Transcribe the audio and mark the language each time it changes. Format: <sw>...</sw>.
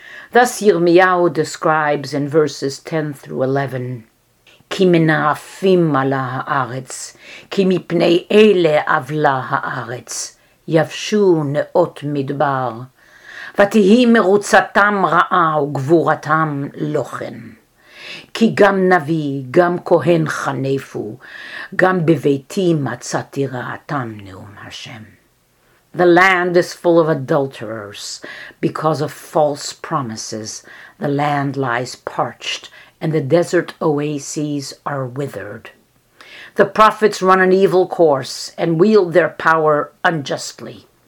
<en>Thus Yirmiyahu describes in verses 10 through 11,</en> <he>Ki mena'afim ala ha'aretz, ki mipnei ele avla ha'aretz, yavshu ne'ot midbar, ותהי מרוצתם רעה וגבורתם לוחן. כי גם נביא, גם כהן חנפו, גם בביתי מצאתי רעתם, נאום השם.</he> <en>The land is full of adulterers. Because of false promises, the land lies parched, and the desert oases are withered. The prophets run an evil course and wield their power unjustly.</en>